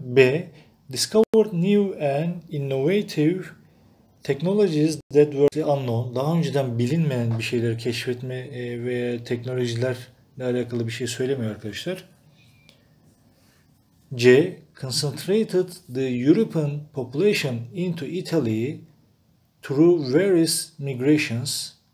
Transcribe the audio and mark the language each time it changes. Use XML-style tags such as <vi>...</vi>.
<en>B, discovered new and innovative technologies that were unknown.</en> <tr>Daha önceden bilinmeyen bir şeyleri keşfetme veya teknolojilerle alakalı bir şey söylemiyor arkadaşlar.</tr> <en>C, concentrated the European population into Italy through various migrations.</en>